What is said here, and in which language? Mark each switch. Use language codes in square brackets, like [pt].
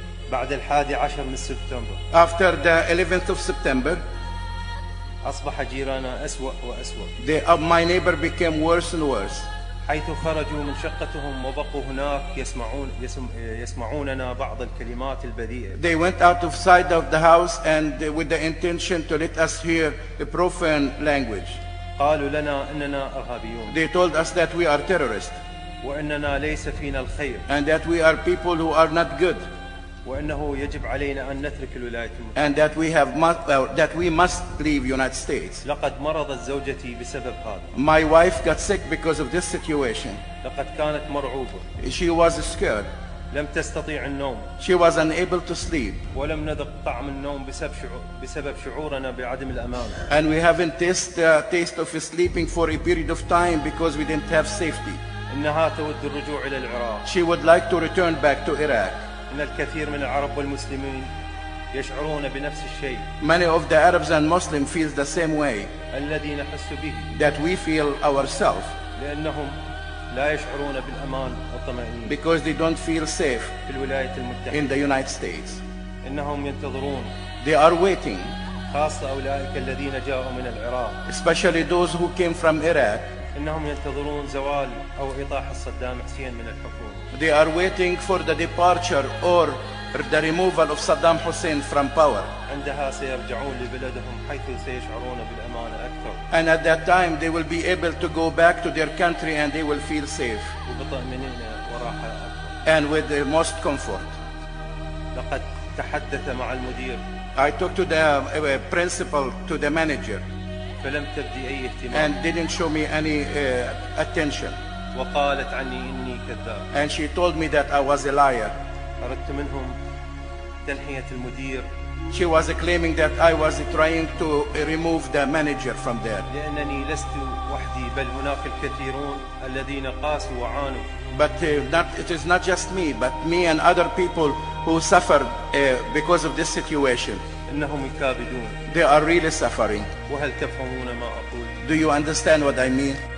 [ar] بعد الحادي عشر من سبتمبر. [en] After the 11th of September, [ar] أصبح جيرانا أسوأ وأسوأ. [en] My neighbor became worse and worse. [ar] حيث خرجوا من شقتهم وبقوا هناك يسمعوننا بعض الكلمات البذيئة. [en] They went out of sight of the house and with the intention to let us hear the profane language. [ar] قالوا لنا إننا إرهابيون. [en] They told us that we are terrorists. [ar] وإننا ليس فينا الخير. [en] And that we are people who are not good. [ar] وأنه يجب علينا أن نترك الولايات المتحدة. [en] And that we have must, that we must leave United States. [ar] لقد مرضت زوجتي بسبب هذا. [en] My wife got sick because of this situation. [ar] لقد كانت مرعوبة. [en] She was scared. [ar] لم تستطيع النوم. [en] She was unable to sleep. [ar] ولم نذق طعم النوم بسبب شعورنا بعدم الأمان. [en] And we haven't tasted the taste of sleeping for a period of time because we didn't have safety. [ar] إنها تود الرجوع إلى العراق. [en] She would like to return back to Iraq. [ar] إن الكثير من العرب والمسلمين يشعرون بنفس الشيء. [en] Many of the Arabs and Muslims feel the same way. [ar] الذي نحس به. [en] That we feel ourselves. [ar] لأنهم لا يشعرون بالأمان والطمأنينة. [en] Because they don't feel safe. [ar] في الولايات المتحدة. [en] In the United States. [ar] إنهم ينتظرون. [en] They are waiting. [ar] خاصة أولئك الذين جاءوا من العراق. [en] Especially those who came from Iraq. [ar] إنهم ينتظرون زوال أو إطاحة صدام حسين من الحكومة. [en] They are waiting for the departure or the removal of Saddam Hussein from power. [ar] عندها سيرجعون لبلدهم حيث سيشعرون بالأمان أكثر. [en] And at that time they will be able to go back to their country and they will feel safe. [ar] وبطمأنينة وراحة أكثر. [en] And with the most comfort. [ar] لقد تحدث مع المدير. [en] I talked to the principal, to the manager. [ar] فلم تبدي أي اهتمام. [en] And didn't show me any attention. [ar] وقالت عني إني كذاب. [en] And she told me that I was a liar. [ar] أردت منهم تنحية المدير. [en] She was claiming that I was trying to remove the manager from there. [ar] لأنني لست وحدي بل هناك الكثيرون الذين قاسوا وعانوا. [en] But it is not just me, but me and other people who suffered because of this situation. [ar] إنهم يكابدون. [en] They are really suffering. [ar] وهل تفهمون ما أقول؟ [en] Do you understand what I mean?